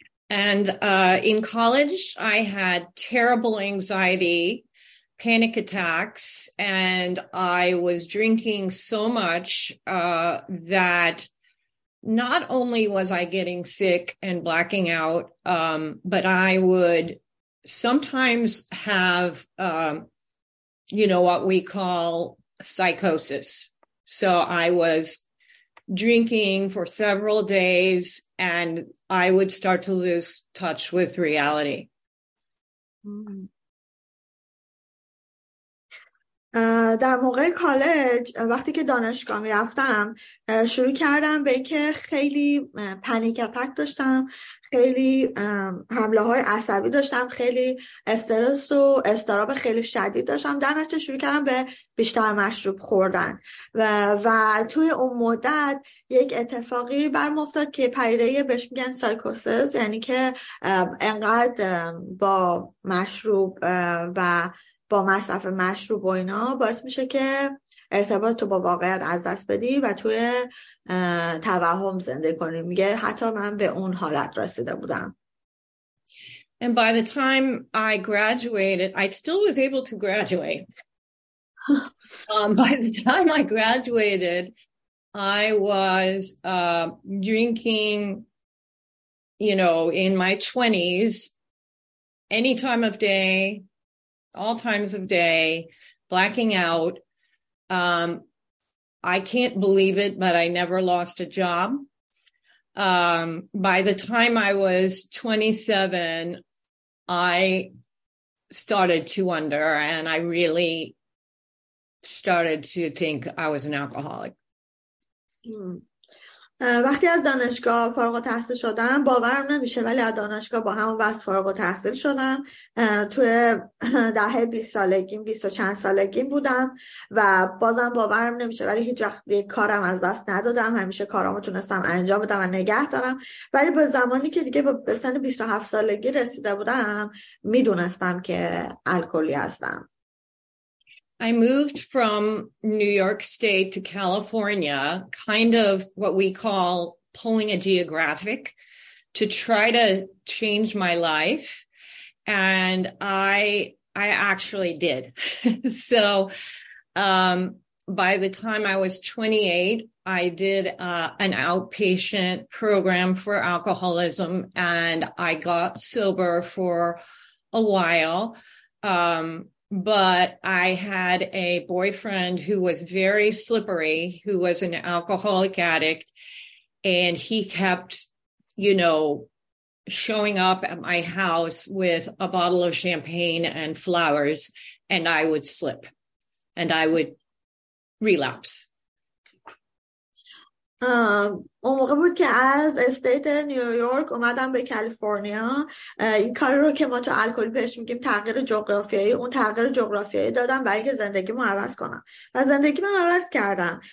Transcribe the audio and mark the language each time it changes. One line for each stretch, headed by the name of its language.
English: And in college I had terrible anxiety, panic attacks, and I was drinking so much that not only was I getting sick and blacking out, but I would sometimes have, you know, what we call psychosis. So I was drinking for several days and I would start to lose touch with reality.
Persian: در موقع کالج، وقتی که دانشگاه می رفتم، شروع کردم به اینکه خیلی پنیک اتک داشتم، خیلی حمله های عصبی داشتم، خیلی استرس و استراب خیلی شدید داشتم. در نتیجه شروع کردم به بیشتر مشروب خوردن و توی اون مدت یک اتفاقی برم افتاد که پدیده بهش میگن سایکوسیس، یعنی که انقدر با مشروب و با مصرف مشروب و اینا باعث میشه که ارتباط تو با واقعیت از دست بدی و توی توهم زندگی کنی. میگه حتی من به اون حالت رسیده بودم.
English: And by the time I graduated, I still was able to graduate. By the time I graduated, I was drinking, you know, in my 20s, any time of day, all times of day, blacking out. I can't believe it, but I never lost a job. By the time I was 27, I started to wonder, and I really started to think I was an alcoholic.
Persian: وقتی از دانشگاه فارغ التحصیل شدم باورم نمیشه ولی از دانشگاه با همون وضع فارغ التحصیل شدم. توی دهه 20 سالگیم 20 و چند سالگیم بودم و بازم باورم نمیشه ولی هیچ وقت کارم از دست ندادم، همیشه کارامو تونستم انجام بدم و نگه دارم. ولی به زمانی که دیگه به سن 27 سالگی رسیده بودم میدونستم که الکلی هستم.
English: I moved from New York State to California, kind of what we call pulling a geographic, to try to change my life. And I actually did. So by the time I was 28, I did an outpatient program for alcoholism, and I got sober for a while. But I had a boyfriend who was very slippery, who was an alcoholic addict, and he kept, you know, showing up at my house with a bottle of champagne and flowers, and I would slip, and I would relapse.
Persian: اون موقع بود که از استیت نیویورک اومدم به کالیفرنیا. این کاری رو که ما تو الکلی بهش میگیم تغییر جغرافیایی، اون تغییر جغرافیایی دادم برای که زندگیمو عوض کنم و زندگیمو عوض کردم.